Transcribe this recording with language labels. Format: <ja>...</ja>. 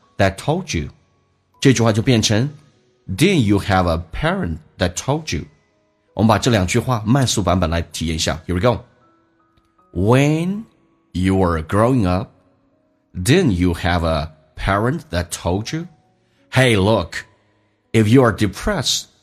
<en>That told you，</en> <zh>这句话就变成</zh> <en>Then you have a parent that told you。</en> <zh>我们把这两句话慢速版本来体验一下。</zh> <en>Here we go. When you were growing up, then you have aparent that told you, Hey, look, if you are depressed,</en>